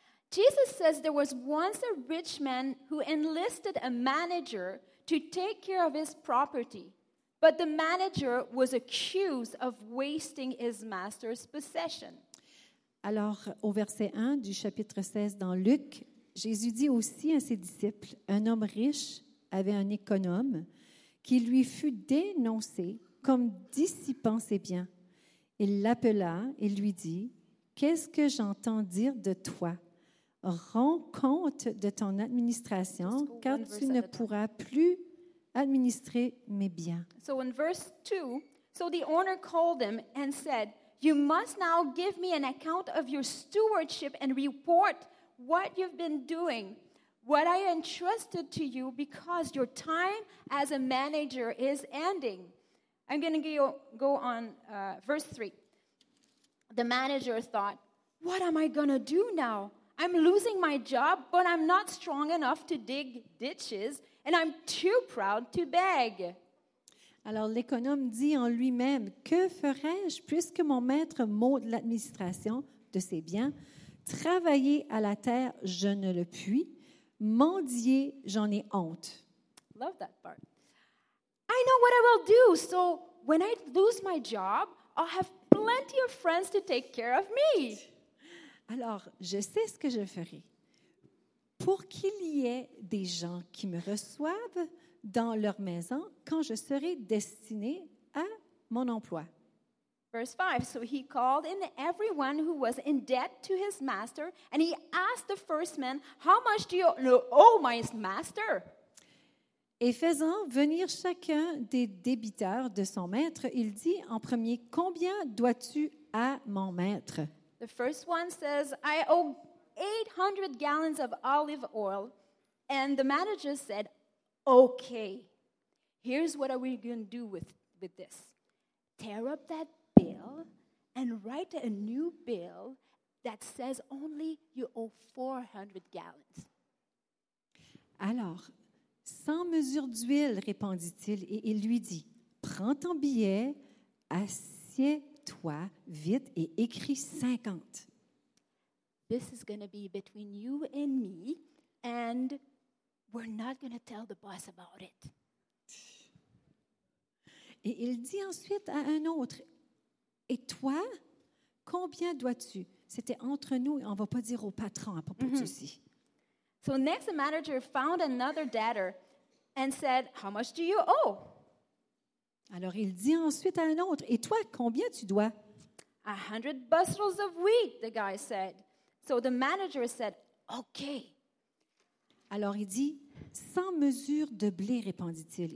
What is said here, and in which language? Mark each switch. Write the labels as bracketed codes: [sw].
[en] Jesus says there was once a rich man who enlisted a manager to take care of his property, but the manager was accused of wasting his master's possession. [fr] Alors, au verset 1 du chapitre 16 dans Luc, Jésus dit aussi à ses disciples, un homme riche avait un économe qui lui fut dénoncé comme dissipant ses biens. Il l'appela et lui dit, « Qu'est-ce que j'entends dire de toi? Rends compte de ton administration, car tu ne pourras plus administrer mes biens. » [en] So in verse 2, so the owner called him and said, « You must now give me an account of your stewardship and report what you've been doing, what I entrusted to you because your time as a manager is ending. » I'm going to go on verse 3. The manager thought, what am I going to do now? I'm losing my job, but I'm not strong enough to dig ditches, and I'm too proud to beg. [fr] Alors, l'économe dit en lui-même, que ferais-je puisque mon maître maude l'administration de ses biens? Travailler à la terre, je ne le puis. Mendier, j'en ai honte. [en] Love that part. I know what I will do. So when I lose my job, I'll have plenty of friends to take care of me. [fr] Alors, je sais ce que je ferai. Pour qu'il y ait des gens qui me reçoivent dans leur maison quand je serai destinée à mon emploi. [en] Verse 5. So he called in everyone who was in debt to his master, and he asked the first man, how much do you owe my master? [fr] Et faisant venir chacun des débiteurs de son maître, il dit en premier, combien dois-tu à mon maître? [en] The first one says, I owe 800 gallons of olive oil. And the manager said, okay, here's what are we going to do with this. Tear up that bill and write a new bill that says only you owe 400 gallons. [fr] Alors, 100 mesures d'huile, répondit-il, et il lui dit, prends ton billet, assieds-toi vite et écris 50. [en] This is going to be between you and me, and we're not going to tell the boss about it. [fr] Et il dit ensuite à un autre, et toi, combien dois-tu? C'était entre nous, et on ne va pas dire au patron à propos de ceci. [en] So next, the manager found another debtor and said, how much do you owe? [fr] Alors il dit ensuite à un autre, et toi, combien tu dois? [en] 100 bushels of wheat, the guy said. So the manager said, okay. [fr] Alors il dit, 100 mesures de blé, répondit-il.